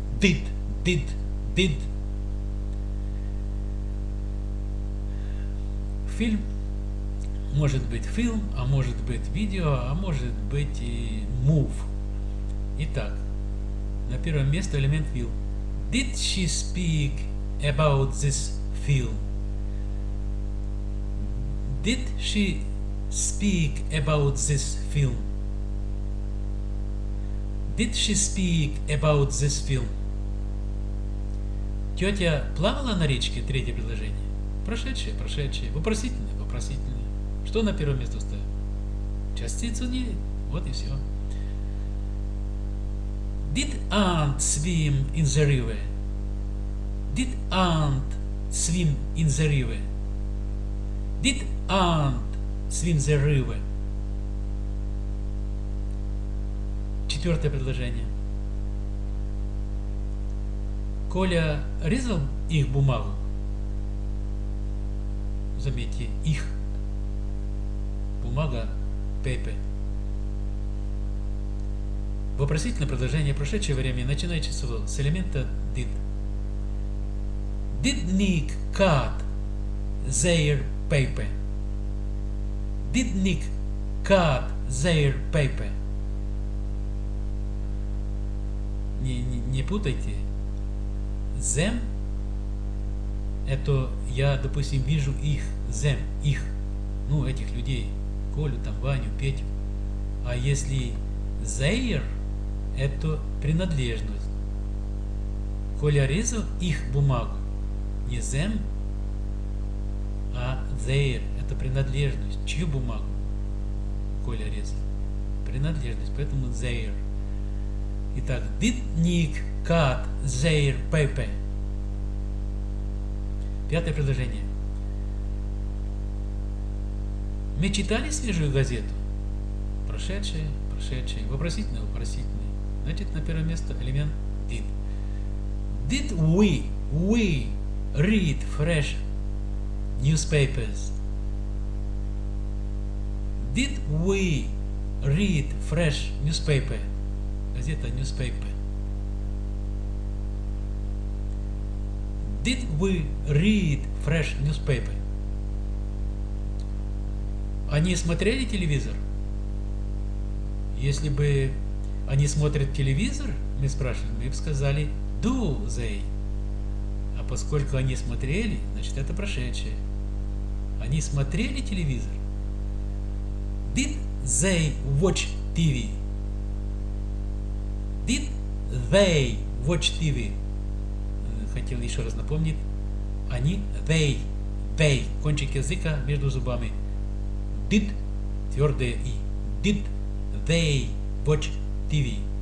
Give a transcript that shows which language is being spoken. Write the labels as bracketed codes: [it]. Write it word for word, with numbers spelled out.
[en] Did, did, did. [ru] Фильм. Может быть фильм, а может быть видео, а может быть и move. Итак, на первом месте элемент will. [en] Did she speak about this film? Did she speak about this film? Did she speak about this film? [ru] Тетя плавала на речке? Третье предложение. Прошедшее, прошедшее. Вопросительное, вопросительное. Что на первое место ставим? Частицу did. Вот и все. [en] Did aunt swim in the river? Did aunt swim in the river? Did aunt swim the river? [ru] Четвертое предложение. Коля резал их бумагу. Заметьте, их бумага, paper. Вопросительное предложение прошедшего времени начинает число с элемента did. [en] Did Nick cut their paper? Did Nick cut their paper? [ru] Не, не, не путайте. Them — это я, допустим, вижу их, them, их, ну, этих людей, Колю, там, Ваню, Петю. А если their — это принадлежность. Коля резал их бумагу. Не them, а their — это принадлежность. Чью бумагу Коля резал? Принадлежность, поэтому their. [en] Итак, did Nick cut their paper? [ru] Пятое предложение. Мы читали свежую газету? Прошедшие, прошедшие. Вопросительные, вопросительные. Значит, на первое место элемент did. [en] Did we, we read fresh newspapers? Did we read fresh newspaper? [ru] Газета newspaper. [en] Did we read fresh newspaper? [ru] Они смотрели телевизор? Если бы они смотрят телевизор, мы спрашивали, мы бы сказали [en] do they. [ru] А поскольку они смотрели, значит, это прошедшее. Они смотрели телевизор? [en] Did they watch ти ви? Did they watch ти ви? [ru] Хотел еще раз напомнить. Они, they, they, кончик языка между зубами. Did, твердое и. [en] Did they watch ти ви?